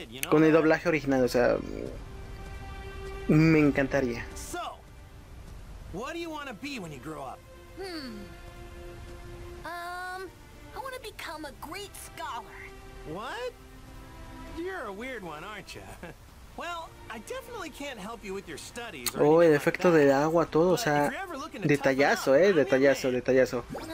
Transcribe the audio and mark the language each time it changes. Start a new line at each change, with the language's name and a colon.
Spanish: Con el doblaje original, o sea, me encantaría.
English: So, what do you want to be when you grow up? I want to become a great scholar. What? You're a weird one, aren't you? Well, I definitely can't help you with your studies.
Spanish: Oh, el efecto del agua, todo, o sea, detallazo.